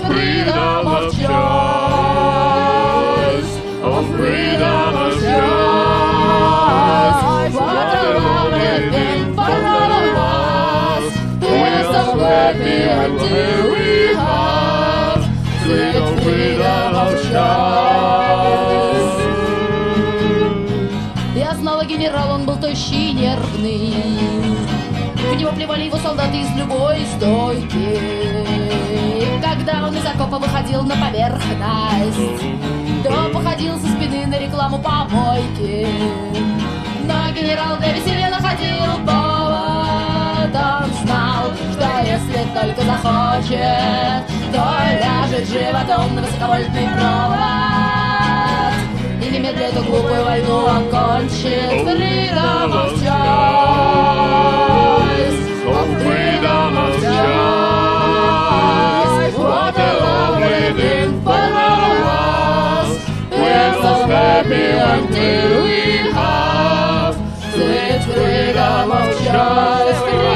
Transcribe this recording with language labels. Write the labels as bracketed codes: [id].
[en] Freedom of choice, of freedom of choice. What a lovely thing for all of us, who is so happy until we have sweet freedom of choice. [ru] Я знала генерал, он был тощий, нервный. В него плевали его солдаты из любой стойки. И когда он из окопа выходил на поверхность, то походил со спины на рекламу помойки. Но генерал для веселья находил повод. Он знал, что если только захочет, то ляжет животом на высоковольтный провод и немедля эту глупую войну окончит. [en] Freedom of choice, freedom of choice. What a lovely thing for all of us. We're so happy until we have sweet freedom of choice.